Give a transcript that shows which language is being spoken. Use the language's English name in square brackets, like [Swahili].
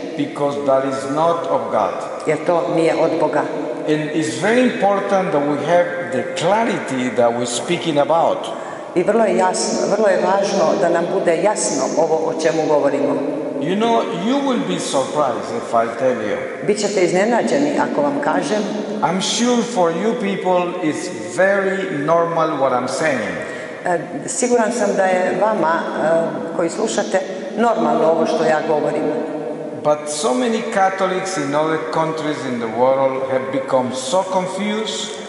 [English] Because that is not of God. [Croatian] Jer to nije od Boga. [English] And it's very important that we have the clarity that we're speaking about. [Croatian] I vrlo je jasno, vrlo je važno da nam bude jasno ovo o čemu govorimo. [English] You know, you will be surprised if I tell you. [Croatian] Bićete iznenađeni ako vam kažem. [English] I'm sure for you people it's very normal what I'm saying. [Croatian] Siguran sam da je vama koji slušate normalno ovo što ja govorim. [English] But so many Catholics in other countries in the world have become so confused.